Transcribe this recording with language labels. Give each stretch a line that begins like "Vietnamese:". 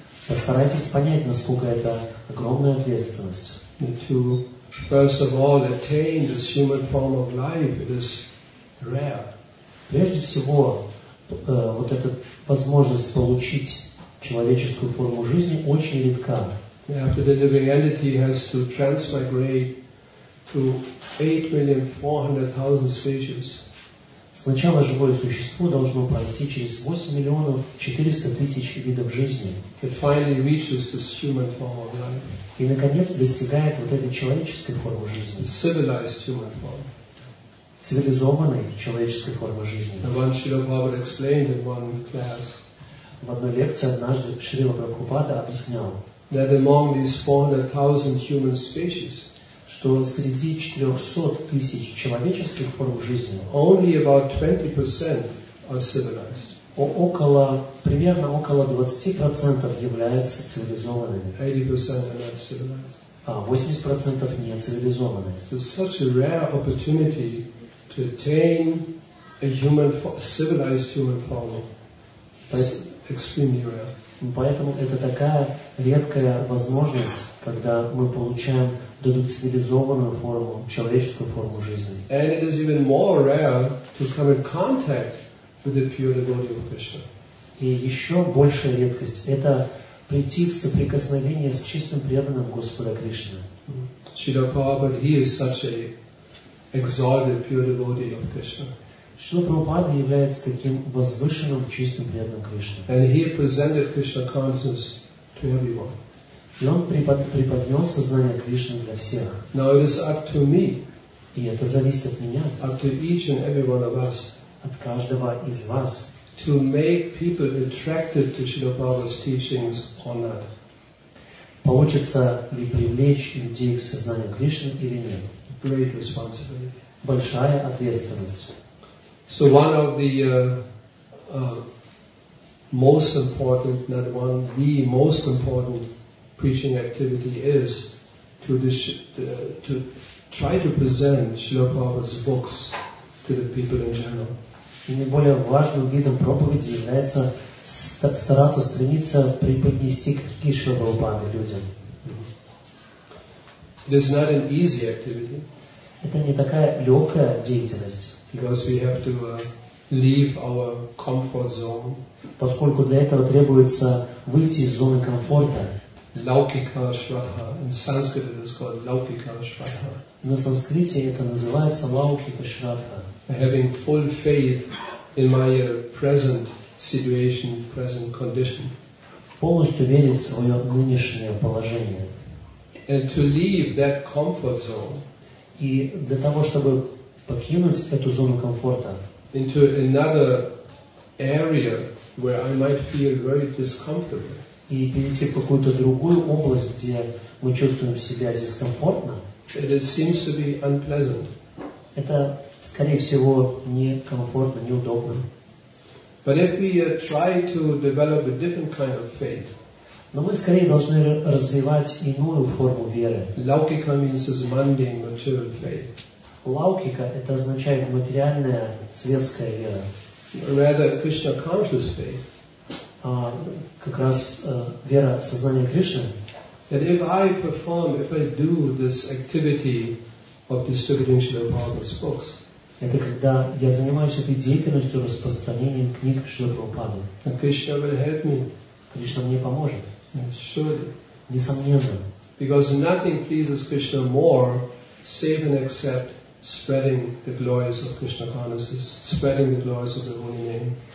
Russian: Постарайтесь понять, насколько это огромная ответственность.
English: To first of all attain this human form of life, it is rare.
Russian: Прежде всего, вот эта возможность получить человеческую форму жизни очень редка.
English: After the living entity has to transmigrate to 8,400,000 species.
Russian: Сначала живое существо должно пройти через 8,400,000 видов жизни.
English: It finally reaches this human form of life.
Russian: И наконец достигает вот этой человеческой формы жизни.
English: Civilized human form.
Russian: Цивилизованной человеческой формы жизни.
English: And one Srila Prabhupada explained in one class.
Russian: В одной лекции однажды Шрила Прабхупада объяснял.
English: That among these 400,000 human species.
Russian: Что среди 400,000 человеческих форм жизни
English: only about 20% are civilized.
Russian: около, примерно около 20% являются цивилизованными.
English: 80% are not civilized.
Russian: 80% не цивилизованные.
English: So such a rare opportunity to attain a human, civilized human form. Extremely rare.
Russian: Поэтому это такая редкая возможность, когда мы получаем дадут цивилизованную форму, человеческую форму жизни.
English: And it is even more rare to come in contact with the pure devotee of Krishna.
Russian: И еще большая редкость – это прийти в соприкосновение с чистым преданным Господа Кришны.
English: Шрила Прабхупада, he is such an exalted pure devotee of Krishna.
Russian: Шрила Прабхупада является таким возвышенным чистым преданным Кришны.
English: And he presented Krishna consciousness to everyone.
Russian: И он преподнес сознание Кришны для всех.
English: Now it is up to me.
Russian: И это зависит от меня.
English: Up to each and every one of us.
Russian: От каждого из вас.
English: To make people attracted to Srila Prabhupada's teachings or not.
Russian: Получится ли привлечь людей к сознанию Кришны или нет?
English: Great responsibility.
Russian: Большая ответственность.
English: So one of the most important, not one, the most important preaching activity is to try to present Srila Prabhupada's books to the people in general.
Russian: И наиболее важным видом проповеди является стараться, стремиться преподнести какие-то Шрила Прабхупады людям.
English: It is not an easy activity.
Russian: Это не такая легкая деятельность.
English: Because we have to leave our comfort zone.
Russian: Поскольку для этого требуется выйти из зоны комфорта.
English: Laukika Shraddha. In Sanskrit it is called Laukika Shraddha.
Russian: На санскрите это называется Laukika Shraddha.
English: Having full faith in my present situation, present condition.
Russian: Полностью верить в свое нынешнее положение.
English: And to leave that comfort zone.
Russian: И для того, чтобы покинуть эту зону комфорта.
English: Into another area where I might feel very discomfortable.
Russian: И перейти в какую-то другую область, где мы чувствуем себя дискомфортно.
English: And it seems to be unpleasant.
Russian: Это скорее всего, некомфортно, неудобно.
English: But if we try to develop a different kind of faith,
Russian: но мы скорее должны развивать иную форму веры.
English: Laukika means is mundane material faith.
Russian: Laukika – это означает материальная, светская вера.
English: Rather, Krishna conscious faith.
Russian: Как раз вера сознания Кришны.
English: That if I perform, if I do this activity of distributing Srila Prabhupada's books,
Russian: это когда я занимаюсь этой деятельностью распространением книг Шрилы Прабхупады.
English: And Krishna will help me.
Russian: Кришна мне поможет.
English: Surely.
Russian: Несомненно.
English: Because nothing pleases Krishna more, save and except spreading the glories of Krishna consciousness, spreading the glories of the holy name.